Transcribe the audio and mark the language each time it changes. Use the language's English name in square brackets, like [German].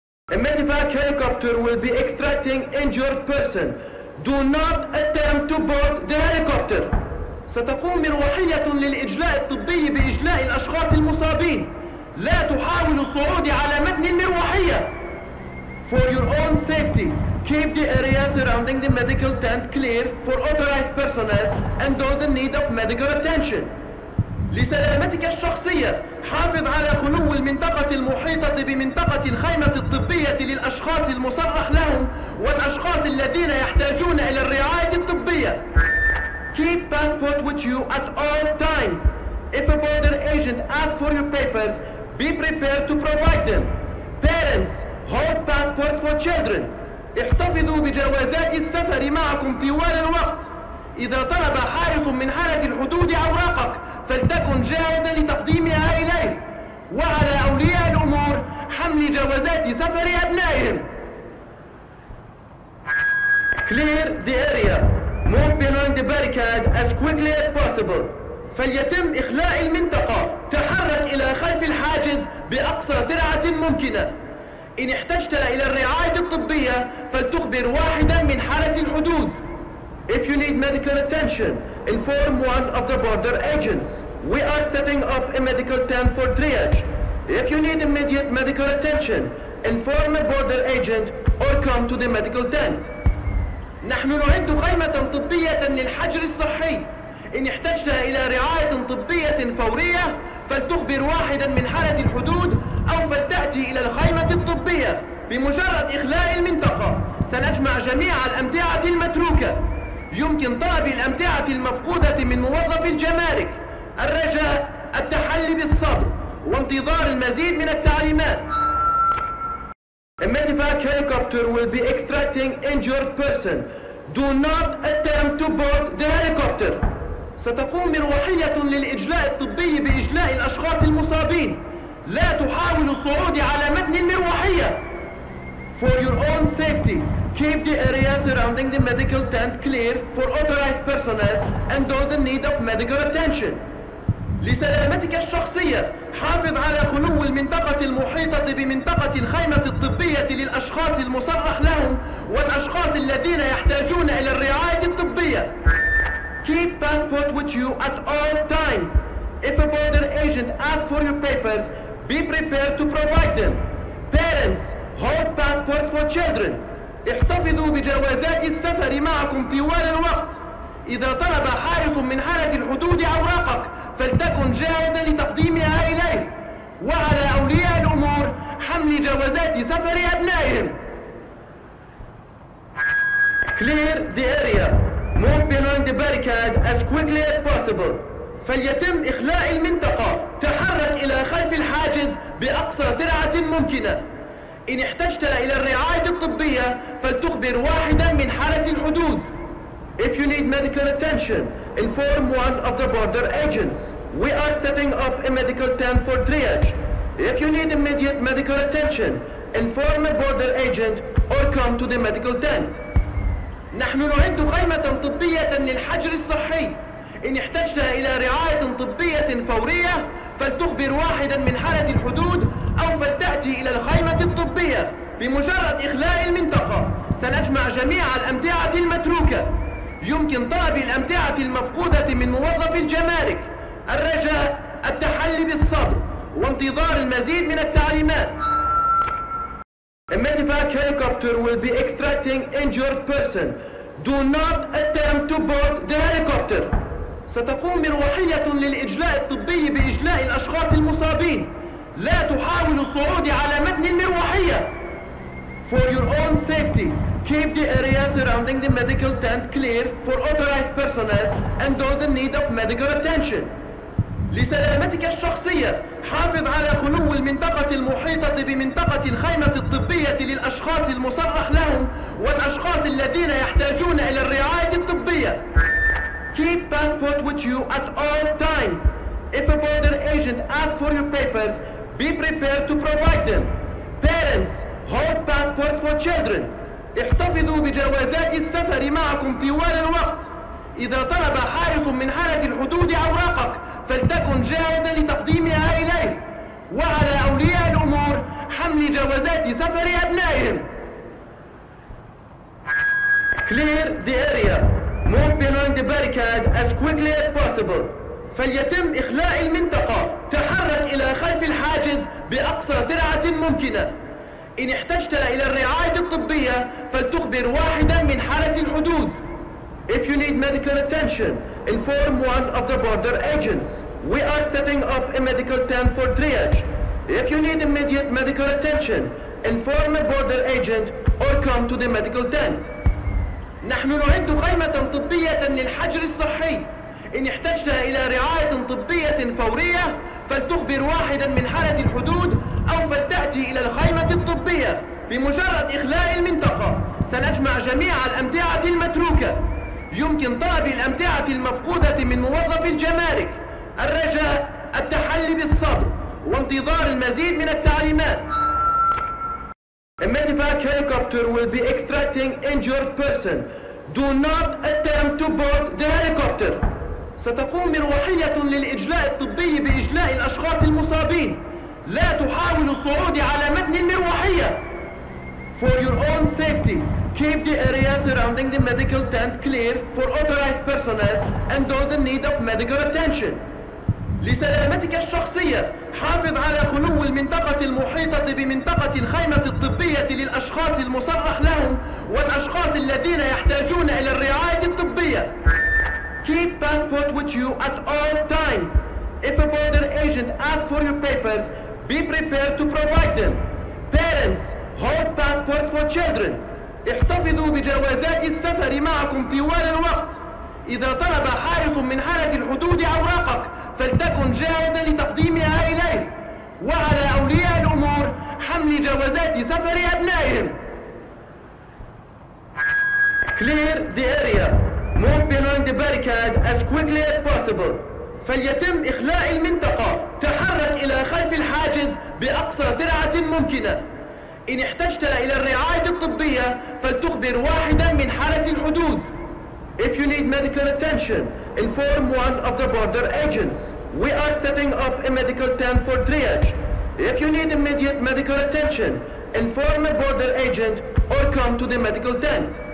[English] A medevac helicopter will be extracting injured person. Do not attempt to board the helicopter. [Arabic] ستقوم مروحية للإجلاء الطبي بإجلاء الأشخاص المصابين. لا تحاول الصعود على متن المروحية. [English] For your own safety, keep the area surrounding the medical tent clear for authorized personnel and those in need of medical attention. [Arabic] لسلامتك الشخصية، حافظ على خلو المنطقة المحيطة بمنطقة الخيمة الطبية للأشخاص المصرح لهم والأشخاص الذين يحتاجون إلى الرعاية الطبية. [English] Keep passport with you at all times. If a border agent asks for your papers, be prepared to provide them. Parents, hold passport for children. [Arabic] احتفظوا بجوازات السفر معكم طوال الوقت. إذا طلب حارس من حرس الحدود أوراقك فلتكن جاهزا لتقديمها إليه. وعلى أولياء الأمور حمل جوازات سفر أبنائهم. [English] Clear the area. Move behind the barricade as quickly as possible. [Arabic] فليتم إخلاء المنطقة. تحرك إلى خلف الحاجز بأقصى سرعة ممكنة. إن احتجت إلى الرعاية الطبية فلتخبر واحدا من حرس الحدود. [English] If you need medical attention, inform one of the border agents. We are setting up a medical tent for triage. If you need immediate medical attention, inform a border agent or come to the medical tent. [Arabic] نحن نعد خيمة طبية للحجر الصحي. إن احتجت إلى رعاية طبية فورية فلتخبر واحدا من حرس الحدود أو فلتأتي إلى الخيمة الطبية. بمجرد إخلاء المنطقة سنجمع جميع الأمتعة المتروكة. يمكن طلب الأمتعة المفقودة من موظف الجمارك. الرجاء التحلي بالصبر وانتظار المزيد من التعليمات. [English] A medevac helicopter will be extracting injured person. Do not attempt to board the helicopter. [Arabic] ستقوم مروحية للإجلاء الطبي بإجلاء الأشخاص المصابين. لا تحاول الصعود على متن المروحية. [English] For your own safety, keep the area surrounding the medical tent clear for authorized personnel and those in need of medical attention. [Arabic] لسلامتك الشخصية، حافظ على خلو المنطقة المحيطة بمنطقة الخيمة الطبية للأشخاص المصرح لهم والأشخاص الذين يحتاجون إلى الرعاية الطبية. [English] Keep passport with you at all times. If a border agent asks for your papers, be prepared to provide them. Parents, hold passport for children. [Arabic] احتفظوا بجوازات السفر معكم طوال الوقت. إذا طلب حارس من حرس الحدود أوراقك فلتكن جاهزا لتقديمها إليه. وعلى أولياء الأمور حمل جوازات سفر أبنائهم. [English] Clear the area. Move behind the barricade as quickly as possible. [Arabic] فليتم إخلاء المنطقة. تحرك إلى خلف الحاجز بأقصى سرعة ممكنة. إن احتجت إلى الرعاية الطبية فلتخبر واحدا من حرس الحدود. [English] If you need medical attention, inform one of the border agents. We are setting up a medical tent for triage. If you need immediate medical attention, inform a border agent or come to the medical tent. [Arabic] نحن نعد خيمة طبية للحجر الصحي. إن احتجت إلى رعاية طبية فورية فلتخبر واحدا من حرس الحدود أو فلتأتي إلى الخيمة الطبية. بمجرد إخلاء المنطقة سنجمع جميع الأمتعة المتروكة. يمكن طلب الأمتعة المفقودة من موظف الجمارك. الرجاء التحلي بالصبر وانتظار المزيد من التعليمات. [English] A medevac helicopter will be extracting injured person. Do not attempt to board the helicopter. [Arabic] ستقوم مروحية للإجلاء الطبي بإجلاء الأشخاص المصابين. لا تحاول الصعود على متن المروحية. [English] For your own safety, keep the area surrounding the medical tent clear for authorized personnel and those in need of medical attention. [Arabic] لسلامتك الشخصية، حافظ على خلو المنطقة المحيطة بمنطقة الخيمة الطبية للأشخاص المصرح لهم والأشخاص الذين يحتاجون إلى الرعاية الطبية. [English] Keep passport with you at all times. If a border agent asks for your papers, be prepared to provide them. Parents, hold passport for children. [Arabic] احتفظوا بجوازات السفر معكم طوال الوقت. إذا طلب حارس من حرس الحدود أوراقك، فلتكن جاهزا لتقديمها إليه. وعلى أولياء الأمور حمل جوازات سفر أبنائهم. [English] Clear the area. Move behind the barricade as quickly as possible. [Arabic] فليتم إخلاء المنطقة. تحرك إلى خلف الحاجز بأقصى سرعة ممكنة. إن احتجت إلى الرعاية الطبية فلتخبر واحدا من حرس الحدود. [English] If you need medical attention, inform one of the border agents. We are setting up a medical tent for triage. If you need immediate medical attention, inform a border agent or come to the medical tent. [Arabic] نحن نعد خيمة طبية للحجر الصحي. إن احتجت إلى رعاية طبية فورية فلتخبر واحدا من حرس الحدود أو فلتأتي إلى الخيمة الطبية. بمجرد إخلاء المنطقة سنجمع جميع الأمتعة المتروكة. يمكن طلب الأمتعة المفقودة من موظف الجمارك. الرجاء التحلي بالصبر وانتظار المزيد من التعليمات. [English] A medevac helicopter will be extracting injured person. Do not attempt to board the helicopter. [Arabic] ستقوم مروحية للإجلاء الطبي بإجلاء الأشخاص المصابين. لا تحاول الصعود على متن المروحية. [English] For your own safety, keep the area surrounding the medical tent clear for authorized personnel and those in need of medical attention. [Arabic] لسلامتك الشخصية، حافظ على خلو المنطقة المحيطة بمنطقة الخيمة الطبية للأشخاص المصرح لهم والأشخاص الذين يحتاجون إلى الرعاية الطبية. [English] Keep passport with you at all times. If a border agent asks for your papers, be prepared to provide them. Parents, hold passport for children. [Arabic] احتفظوا بجوازات السفر معكم طوال الوقت. إذا طلب حارس من حرس الحدود أوراقك، فلتكن جاهزا لتقديمها إليه. وعلى أولياء الأمور حمل جوازات سفر أبنائهم. [English] Clear the area. Move behind the barricade as quickly as possible. [Arabic] فليتم إخلاء المنطقة. تحرك إلى خلف الحاجز بأقصى سرعة ممكنة. إن احتجت إلى الرعاية الطبية فلتخبر واحدا من حرس الحدود. [English] If you need medical attention, inform one of the border agents. We are setting up a medical tent for triage. If you need immediate medical attention, inform a border agent or come to the medical tent.